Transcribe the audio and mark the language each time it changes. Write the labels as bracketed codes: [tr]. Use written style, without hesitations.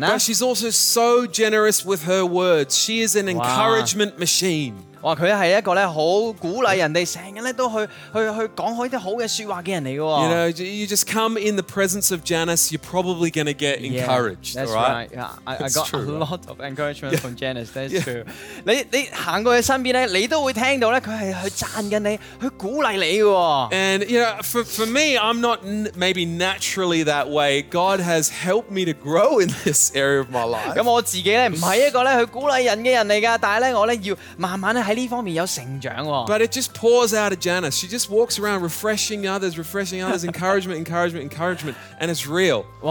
[en] But she's also so generous with her words. She is an encouragement machine. [zh] 她是一个很鼓励人,经常都去讲好一些好的说话的人。 [en] You know, you just come in the presence of Janice, you're probably going to get encouraged. Yeah, that's right. I got a lot of encouragement from Janice, that's true. [zh] 你走过她身边,你都会听到她是去赞她,去鼓励你。 [en] And you know, for me, I'm not maybe naturally that way. God has helped me to grow in this area of my life. [zh] 我自己不是一个去鼓励人的人,但是我要慢慢在这方面有成长。But [en] it just pours out of Janice. She just walks around refreshing others, encouragement, encouragement, encouragement, and it's real.